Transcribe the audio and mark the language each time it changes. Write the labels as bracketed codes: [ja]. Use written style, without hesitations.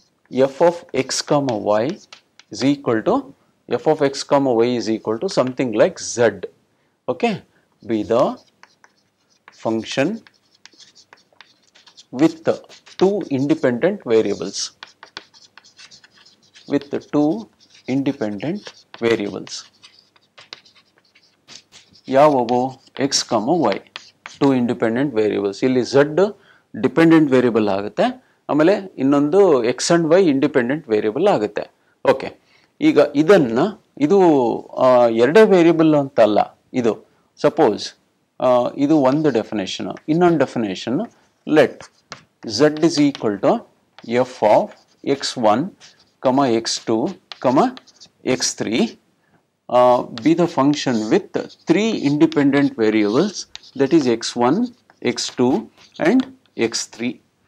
[en] F of x comma y is equal to f of x comma y is equal to something like z okay be the function with two independent variables with two independent variables. [kn] ಯಾವವು [en] x, y, two independent variables. [kn] ಇಲ್ಲಿ [en] z dependent variable [kn] ಆಗುತ್ತೆ ಆಮೇಲೆ ಇನ್ನೊಂದು [en] x and y independent variable [kn] ಆಗುತ್ತೆ okay ಈಗ ಇದನ್ನು ಇದು ಎರಡೇ ವೇರಿಯಬಲ್ ಅಂತ ಅಲ್ಲ ಇದು ಸಪೋಸ್ ಇದು ಒಂದು ಡೆಫಿನೇಷನ್ ಇನ್ನೊಂದು definition [en] Let z is equal to f of x1 comma x2 comma x3 be the function with three independent variables, that is x1, x2 and x3.